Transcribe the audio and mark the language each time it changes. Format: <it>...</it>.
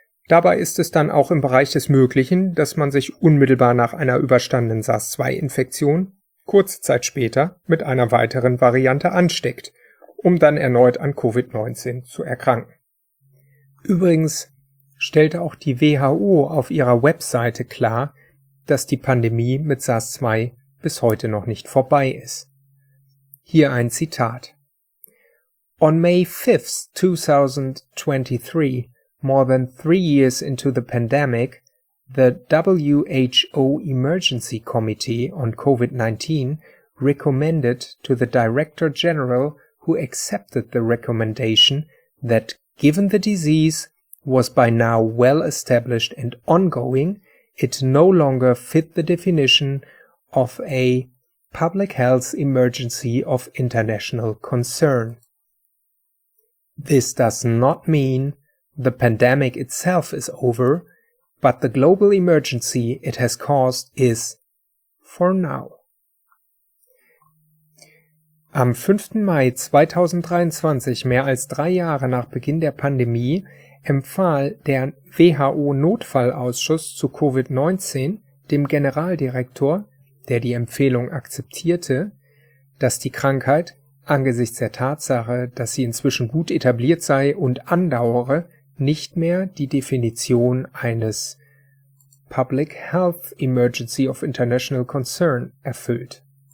<de>Dabei ist es dann auch im Bereich des Möglichen, dass man sich unmittelbar nach einer überstandenen SARS-2-Infektion kurze Zeit später mit einer weiteren Variante ansteckt, um dann erneut an Covid-19 zu erkranken. Übrigens stellte auch die WHO auf ihrer Webseite klar, dass die Pandemie mit SARS-2 bis heute noch nicht vorbei ist. Hier ein Zitat.</de> <en>On May 5th, 2023, more than 3 years into the pandemic, the WHO Emergency Committee on COVID-19 recommended to the Director General, who accepted the recommendation, that given the disease was by now well established and ongoing, it no longer fit the definition of a public health emergency of international concern. This does not mean the pandemic itself is over, but the global emergency it has caused is for now.</en> <de>Am 5. Mai 2023, mehr als 3 Jahre nach Beginn der Pandemie, empfahl der WHO-Notfallausschuss zu Covid-19 dem Generaldirektor, der die Empfehlung akzeptierte, dass die Krankheit angesichts der Tatsache, dass sie inzwischen gut etabliert sei und andauere, nicht mehr die Definition eines Public Health Emergency of International Concern erfüllt.</de>